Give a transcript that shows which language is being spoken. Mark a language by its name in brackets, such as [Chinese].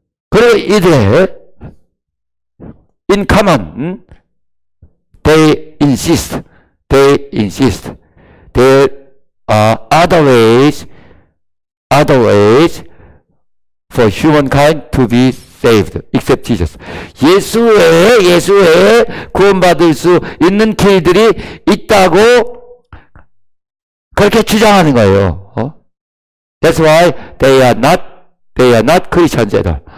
[Korean] 그리고 [English] in common, they insist, there are other ways for humankind to be saved, except Jesus. [Korean] 예수 외에 구원받을 수 있는 길들이 있다고 그렇게 주장하는 거예요. [English] That's why they are not Christians at all.